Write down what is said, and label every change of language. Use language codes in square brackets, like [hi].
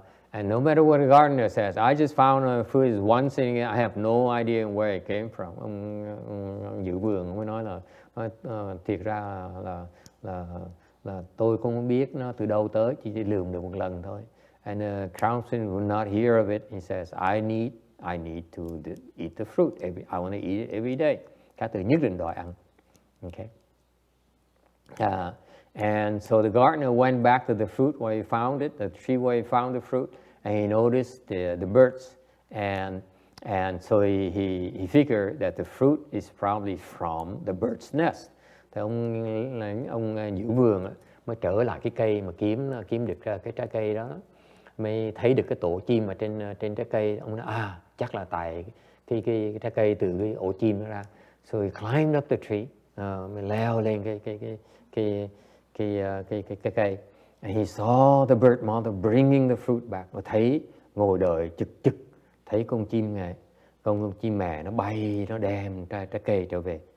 [en] And no matter what the gardener says, I just found a fruit is one thing. I have no idea where it came from. [vi] Ông giữ vườn mới nói là thiệt ra là tôi không biết nó từ đâu tới, chỉ lượm được một lần thôi. [en] And the crown prince would not hear of it. He says, I need to eat the fruit. I want to eat it every day. [vi] cá tự nhất định đòi ăn. Okay. [en] And so the gardener went back to the fruit where he found it, the tree where he found the fruit, and he noticed the birds. And so he figured that the fruit is probably from the bird's nest. [vi] Thì ông giữ vườn mới trở lại cái cây mà kiếm được cái trái cây đó, mới thấy được cái tổ chim ở trên trái cây. Ông nói, chắc là tại cái trái cây từ cái ổ chim nó ra. [en] So he climbed up the tree, [vi] mới leo lên cái cây. [en] And he saw the bird mother bringing the fruit back. [vi] Và thấy ngồi đợi chực, thấy con chim mẹ nó bay, nó đem trái cây trở về.